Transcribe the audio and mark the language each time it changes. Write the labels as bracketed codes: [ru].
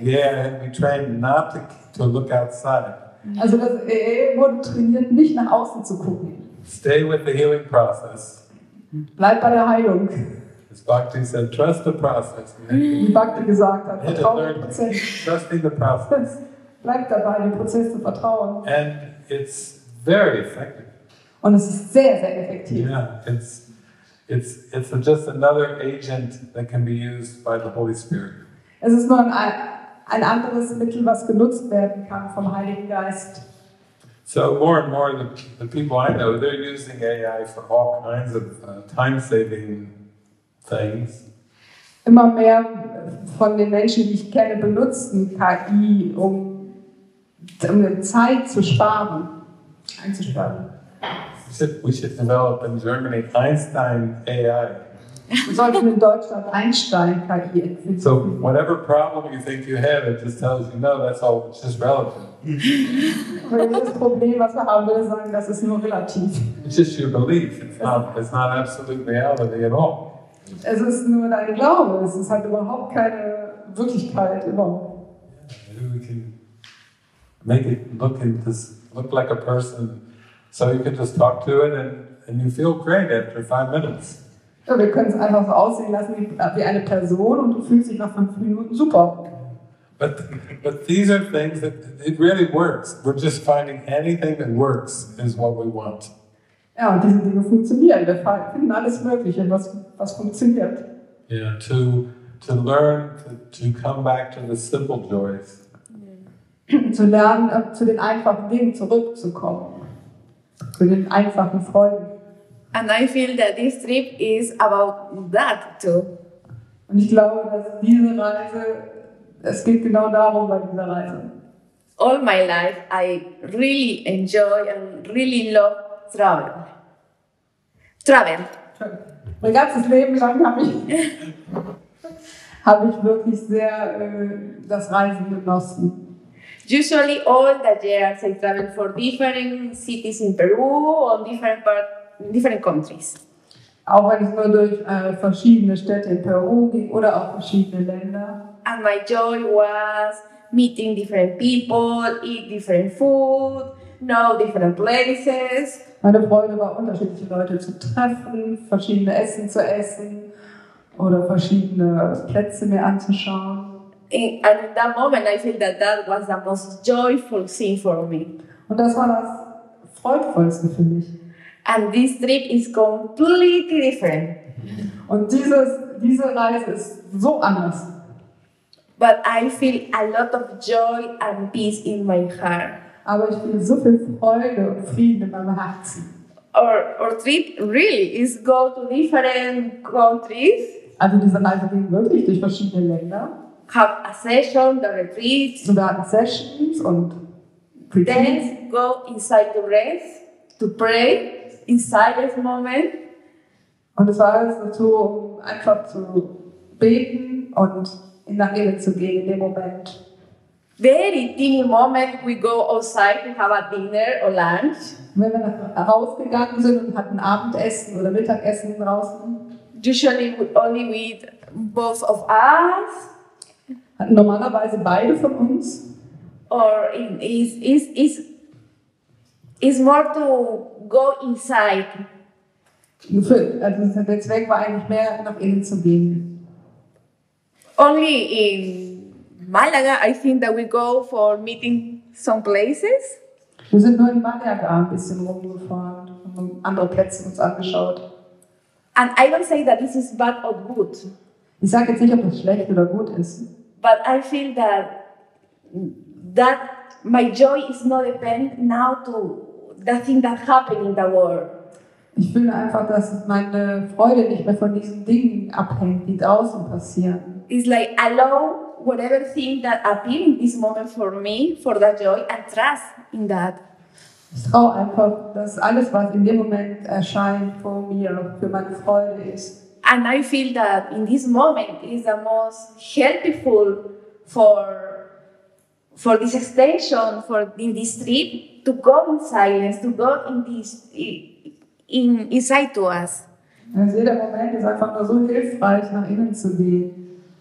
[en] Yeah, it had to be trained not to look outside. [de] Also das EE wurde trainiert, nicht nach außen zu gucken. [en] Stay with the healing process. [de] Bleib bei der Heilung. [en] As Bhakti said, trust the process. [de] Wie Bhakti gesagt hat, vertraue dem Prozess. [en] Trusting the process. [de] Bleib dabei, dem Prozess zu vertrauen. [en] And it's very effective. [de] Und es ist sehr, sehr effektiv. [en] Yeah, it's just another agent that can be used by the Holy Spirit. [de] Es ist nur ein anderes Mittel, was genutzt werden kann vom Heiligen Geist. [en] So more and more the people I know, they're using AI for all kinds of time-saving things. [de] Immer mehr von den Menschen, die ich kenne, benutzen KI, um Zeit zu sparen, einzusparen. [en] We should develop in Germany Einstein AI. [de] Wir sollten in Deutschland Einstein KI entwickeln. [en] So whatever problem you think you have, it just tells you, no, that's all, it's just relative. [de] Welches Problem, was wir haben, würde sagen, das ist nur relativ. [en] It's just your belief. It's not absolute reality at all. [de] Es ist nur dein Glaube. Es ist halt überhaupt keine Wirklichkeit überhaupt. [en] Yeah, we can make it look like a person. So you can just talk to it and you feel great after 5 minutes. [de] Ja, wir können es einfach so aussehen lassen wie eine Person und du fühlst dich nach 5 Minuten super. [en] But these are things that it really works. We're just finding anything that works is what we want. [de] Ja, und diese Dinge funktionieren. Wir finden alles Mögliche, was funktioniert. [en] Yeah, to learn to come back to the simple joys. [de] Zu lernen, zu den einfachen Dingen zurückzukommen. Zu den einfachen Freuden. [en] And I feel that this trip is about that too. [de] Und ich glaube, dass diese Reise, es geht genau darum bei dieser Reise. [en] All my life I really enjoy and really love travel. Travel. [de] Mein ganzes Leben lang habe ich wirklich sehr das Reisen genossen. [en] Usually all the years I travel for different cities in Peru or different countries. [de] Auch wenn ich nur durch verschiedene Städte in Peru ging oder auch verschiedene Länder. [en] And my joy was meeting different people, eat different food, know different places. [de] Meine Freude war, unterschiedliche Leute zu treffen, verschiedene Essen zu essen oder verschiedene Plätze mir anzuschauen. [en] And in that moment, I feel that that was the most joyful thing for me. [de] Und das war das Freudvollste für mich. [en] And this trip is completely different. [de] Und diese Reise ist so anders. [en] But I feel a lot of joy and peace in my heart. [de] Aber ich fühle so viel Freude und Frieden in meinem Herzen. [en] Our trip really is go to different countries. [de] Also diese Reise ging wirklich durch verschiedene Länder. [en] Have a session, the retreat. [de] So wir hatten Sessions und Retreat. [en] Then go inside to rest, to pray in silent moment. [de] Und es war alles dazu, einfach zu beten und in der Ehe zu gehen in dem Moment. [en] Very tiny moment we go outside and have a dinner or lunch. [de] Wenn wir rausgegangen sind und hatten Abendessen oder Mittagessen draußen. [en] Usually we only meet both of us. [de] Hatten normalerweise beide von uns. [en] Or is more to go inside. [de] Also der Zweck war eigentlich mehr nach innen zu gehen. [en] Only in Malaga, I think that we go for meeting some places. [de] Wir sind nur in Malaga ein bisschen rumgefahren und andere Plätze uns angeschaut. [en] And I don't say that this is bad or good. [de] Ich sage jetzt nicht, ob es schlecht oder gut ist. [en] But I feel that my joy is not depend now to the thing that happened in the world. [de] Ich fühle einfach, dass meine Freude nicht mehr von diesen Dingen abhängt, die draußen passieren. [en] It's like allow whatever thing that appears in this moment for me, for that joy, and trust in that. [de] Ich traue einfach, dass alles, was in dem Moment erscheint, vor mir, für meine Freude ist. [en] And I feel that in this moment is the most helpful for this station, for in this trip, to go in silence, to go in this in inside to us. [de] Also jeder Moment ist einfach nur so hilfreich, nach innen zu gehen.